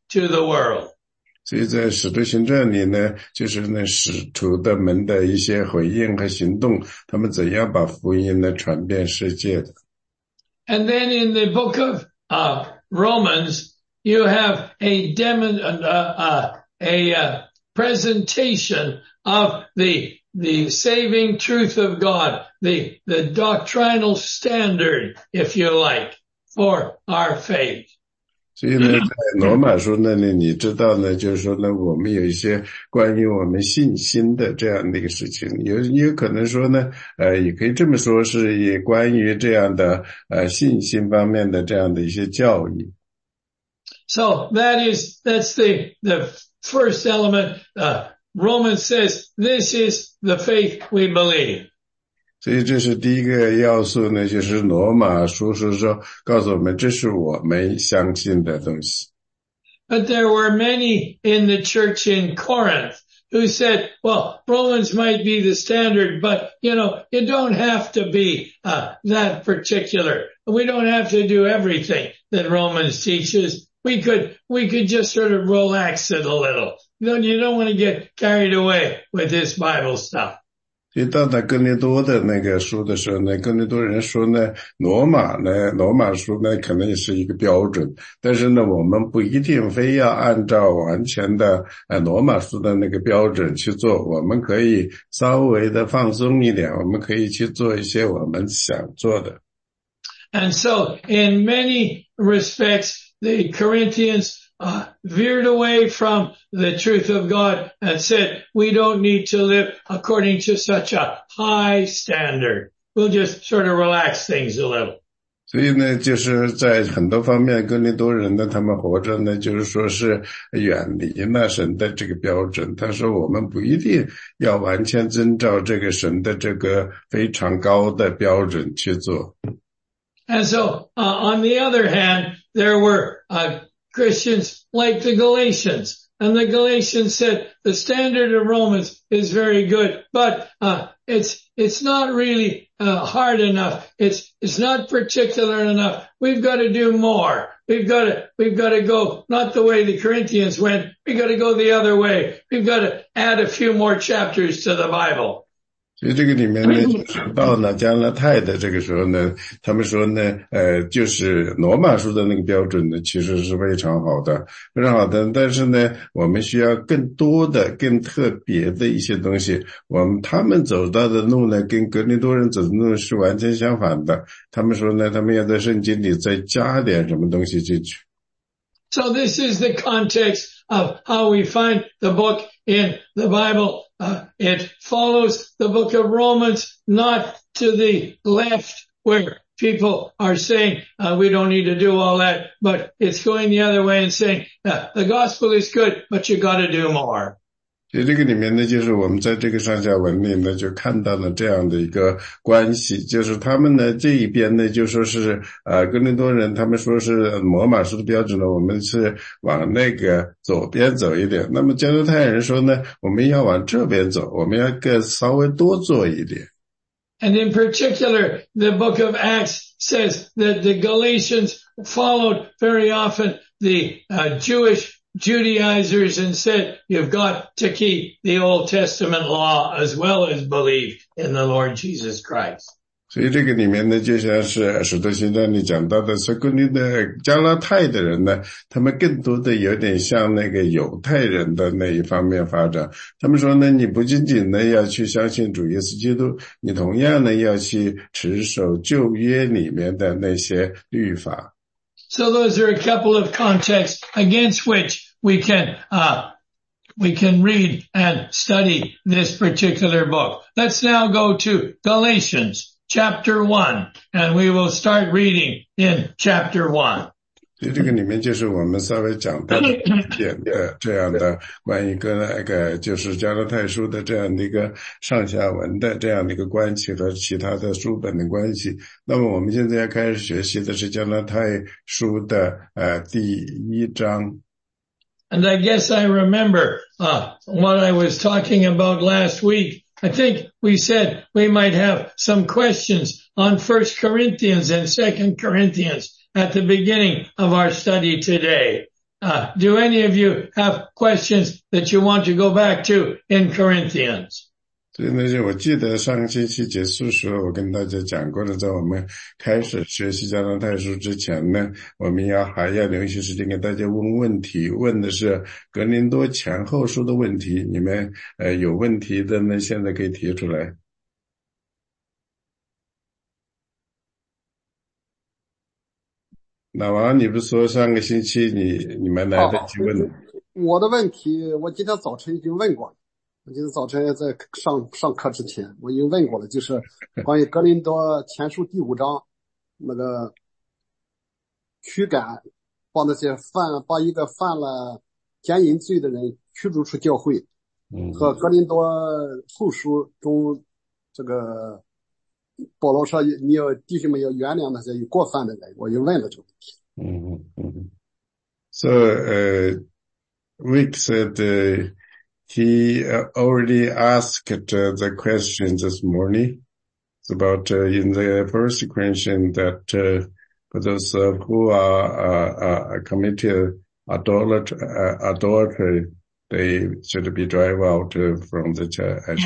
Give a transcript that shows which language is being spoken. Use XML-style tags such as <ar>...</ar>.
<en>To the world.</en> <zh>所以在使徒行传里呢，就是那使徒的门的一些回应和行动，他们怎样把福音呢传遍世界的。</zh> <en>And then in the book of Romans, you have a presentation of the saving truth of God, the doctrinal standard, if you like, for our faith.</en> <zh>所以呢，在罗马书那里，你知道呢，就是说呢，我们有一些关于我们信心的这样的一个事情，有可能说呢，也可以这么说，是也关于这样的信心方面的这样的一些教义。</zh> <en>So that's the first element. Romans says this is the faith we believe.</en> <zh>所以这是第一个要素呢，就是罗马书是说告诉我们，这是我们相信的东西。</zh> <en>But there were many in the church in Corinth who said, well, Romans might be the standard, but you don't have to be that particular. We don't have to do everything that Romans teaches. We could just sort of relax it a little. You don't want to get carried away with this Bible stuff.</en> <zh>一到达哥林多的那个书的时候呢，哥林多人说呢，罗马书呢，可能也是一个标准，但是呢，我们不一定非要按照完全的罗马书的那个标准去做，我们可以稍微的放松一点，我们可以去做一些我们想做的。</zh> <en>And so, in many respects, the Corinthians veered away from the truth of God and said, we don't need to live according to such a high standard. We'll just sort of relax things a little.</en> <zh>所以呢，就是在很多方面，哥林多人呢，他们活着呢，就是说是远离那神的这个标准。他说，我们不一定要完全遵照这个神的这个非常高的标准去做。</zh> <en>And so, on the other hand, there were Christians like the Galatians, and the Galatians said the standard of Romans is very good, but it's not really hard enough. It's not particular enough. We've got to do more. We've got to go not the way the Corinthians went. We've got to go the other way. We've got to add a few more chapters to the Bible.</en> <zh>所以这个里面呢，就是到了加拉太的这个时候呢，他们说呢，就是罗马书的那个标准呢，其实是非常好的，非常好的。但是呢，我们需要更多的、更特别的一些东西。他们走到的路呢，跟格林多人走的路是完全相反的。他们说呢，他们要在圣经里再加点什么东西进去。</zh> <en>So this is the context of how we find the book in the Bible. It follows the book of Romans, not to the left where people are saying, we don't need to do all that, but it's going the other way and saying, the gospel is good, but you got to do more.</en> <zh>所以这个里面呢，就是我们在这个上下文里呢，就看到了这样的一个关系，就是他们呢这一边呢，就说是哥林多人，他们说是罗马书的标准呢，我们是往那个左边走一点；那么加拉太人说呢，我们要往这边走，我们要更稍微多做一点。</zh> <en>And in particular, the book of Acts says that the Galatians followed very often the Jewish Judaizers and said, you've got to keep the Old Testament law as well as believe in the Lord Jesus Christ.</en> <zh>所以这个里面呢，就像是使徒行传里讲到的，说哥林多加拉太的人呢，他们更多的有点像那个犹太人的那一方面发展。他们说呢，你不仅仅呢要去相信主耶稣基督，你同样呢要去持守旧约里面的那些律法。</zh> <en>So those are a couple of contexts against which we can read and study this particular book. Let's now go to Galatians chapter 1, and we will start reading in chapter 1.</en> <zh>所以这个里面就是我们稍微讲到的一点的这样的关于跟那个就是加拉太书的这样的一个上下文的这样的一个关系和其他的书本的关系。那么我们现在要开始学习的是加拉太书的第一章。</zh> <en>And I guess I remember what I was talking about last week. I think we said we might have some questions on 1 Corinthians and 2 Corinthians at the beginning of our study today. Do any of you have questions that you want to go back to in Corinthians?</en> <zh>所以那些，我记得上个星期结束时候，我跟大家讲过了，在我们开始学习加拿大书之前呢，我们还要留一些时间给大家问问题，问的是格林多前后书的问题。你们有问题的呢，现在可以提出来。老王，你不说上个星期你们来得及问、我的问题我今天早晨已经问过了，我今天早晨在上课之前我已经问过了，就是关于格林多前书第五章那个驱赶，把那些把一个犯了奸淫罪的人驱逐出教会，和格林多后书中这个保罗说你要弟兄们要原谅那些有过犯的人，我就问了这个问题。</zh> <en>So, Rick said, he already asked the question this morning. It's about, in the first question that, for those who are committed adultery, they should be driven out from the church.</en>